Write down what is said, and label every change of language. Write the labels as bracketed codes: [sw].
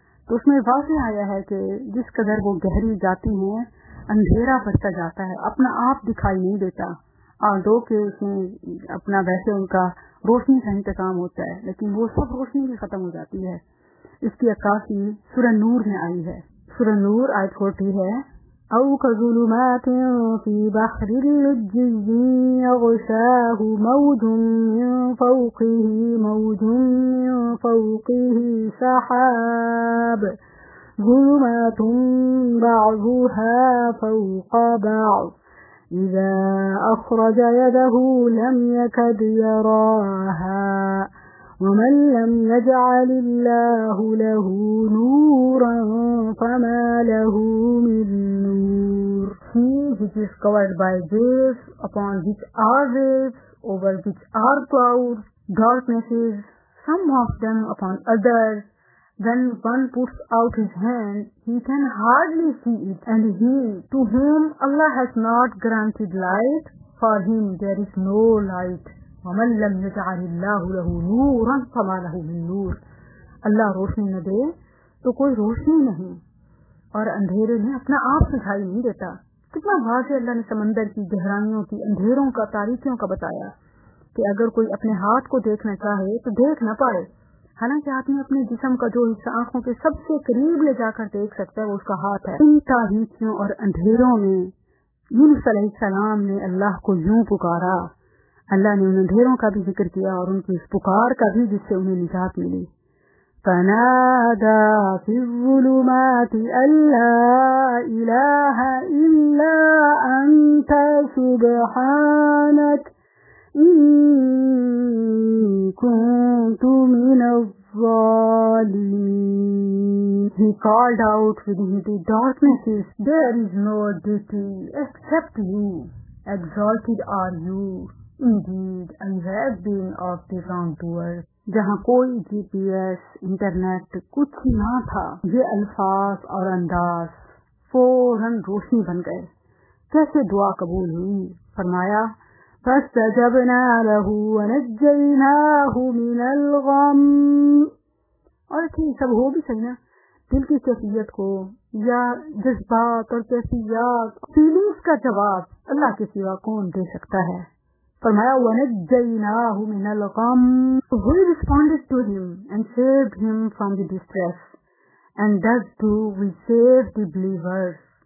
[ur] تو اس میں واضح آیا ہے کہ جس قدر وہ گہری جاتی ہیں اندھیرا بڑھتا جاتا ہے, اپنا آپ دکھائی نہیں دیتا, آدھو کہ اس میں اپنا ویسے ان کا روشنی کا انتقام ہوتا ہے لیکن وہ سب روشنی بھی ختم ہو جاتی ہے. اس کی عکاسی سورہ نور میں آئی ہے, سورہ نور آیت 40 ہے. [ar] او کظلمات فی بحر لجی یغشاہ موج من فوقہ موج من فوقہ سحاب ظلمات بعضها فوق بعض اذا اخرج يده لم يكد يراها ومن لم يجعل الله له نورا فما له من نور. [en] He which is covered by veils, upon which are veils, over which are clouds, darknesses, some of them upon others, when one puts out his hand, he can hardly see it, and he to whom Allah has not granted light, for him there is no light. [ar] وَمَنْ لَمْ يَجْعَلِ اللَّهُ لَهُ نُورًا فَمَا لَهُ مِن نُورٍ, [ur] اللہ روشنی نہ دے تو کوئی روشنی نہیں, اور اندھیرے میں اپنا آپ سجھائی نہیں دیتا. کتنا واضح اللہ نے سمندر کی گہرائیوں کی اندھیروں کا تاریکیوں کا بتایا کہ اگر کوئی اپنے ہاتھ کو دیکھنا چاہے تو دیکھ نہ پائے, حالانکہ آدمی اپنے جسم کا جو حصہ آنکھوں کے سب سے قریب لے جا کر دیکھ سکتا ہے وہ اس کا ہاتھ ہے. ان تاریکیوں اور اندھیروں میں یونس علیہ السلام نے اللہ کو یوں پکارا, اللہ نے ان اندھیروں کا بھی ذکر کیا اور ان کی اس پکار کا بھی جس سے انہیں نجات ملی. [ar] فنادى في الظلمات أن لا إله إلا أنت سبحانك إني كنت من الظالمين. [en] He called out within the darknesses, there is no deity except you, exalted are you. Indeed, I have been of the wrongdoers. [ur] جہاں کوئی جی پی ایس, انٹرنیٹ کچھ نہ تھا, یہ الفاظ اور انداز فوراً روشنی بن گئے. کیسے دعا قبول ہوئی؟ فرمایا [ar] فاستجبنا له ونجیناه من الغم. [ur] اور ٹھیک سب ہو بھی سکنا, دل کی کیفیت کو یا جذبات اور کیفیات فیلنگس کا جواب اللہ کے سوا کون دے سکتا ہے؟ فرمایا [ar] ونجیناہ من الغم. [en] We responded to him and saved him from the distress, and thus do we save the believers.